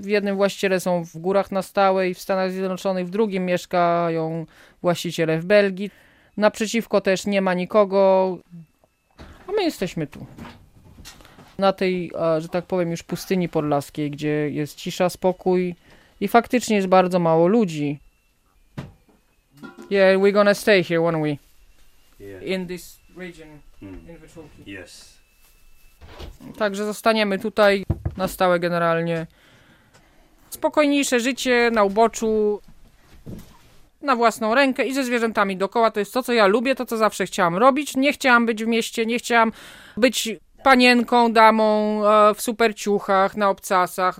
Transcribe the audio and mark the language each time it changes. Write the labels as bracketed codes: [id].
[pl] W jednym właściciele są w górach na stałe i w Stanach Zjednoczonych, w drugim mieszkają właściciele w Belgii. Naprzeciwko też nie ma nikogo, a my jesteśmy tu. Na tej, że tak powiem, już pustyni podlaskiej, gdzie jest cisza, spokój i faktycznie jest bardzo mało ludzi. [en] Yeah, we're gonna stay here, won't we? Yeah. In this region, in Wyczulki. Yes. [pl] Także zostaniemy tutaj na stałe generalnie. Spokojniejsze życie na uboczu, na własną rękę i ze zwierzętami dookoła. To jest to, co ja lubię, to, co zawsze chciałam robić. Nie chciałam być w mieście, nie chciałam być panienką, damą w super ciuchach, na obcasach.